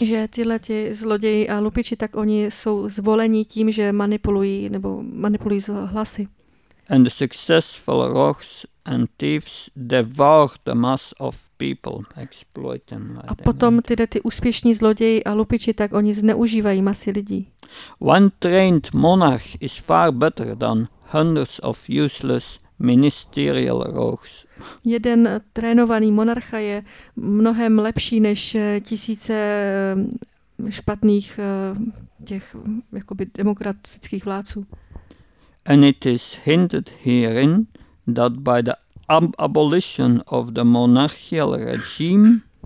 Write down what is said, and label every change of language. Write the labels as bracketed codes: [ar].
[cs] Že tyhle ti zloději a lupiči, tak oni jsou zvoleni tím, že manipulují hlasy. [en] And the successful rogues and thieves devour the mass of people, exploit them. [cs] A potom tyhle ty úspěšní zloději a lupiči, tak oni zneužívají masy lidí. [en] One trained monarch is far better than hundreds of useless ministerial rogues. [cs] Jeden trénovaný monarcha je mnohem lepší než tisíce špatných těch jakoby demokratických vládců. [en] And it is hinted herein that by the abolition of the monarchical regime,